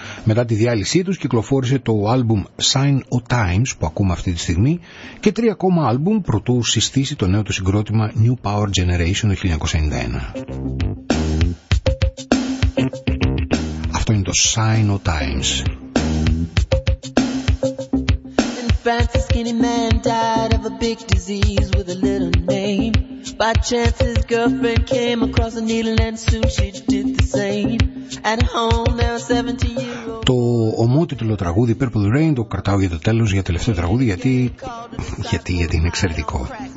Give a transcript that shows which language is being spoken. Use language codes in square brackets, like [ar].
[el] Μετά τη διάλυσή τους κυκλοφόρησε το album Sign of Times που ακούμε αυτή τη στιγμή και τρία ακόμα album προτού συστήσει το νέο του συγκρότημα New Power Generation το 1991. Αυτό είναι το Sign of Times. [en] Francis, skinny man, died of a big disease with a little name. By chance, his girlfriend came across a needle and soon she did the same. At home, there were 17-year-old. [el] Το ομότιτλο τραγούδι Purple Rain το κρατάω για το τέλος, για το τελευταίο τραγούδι, γιατί. γιατί είναι εξαιρετικό.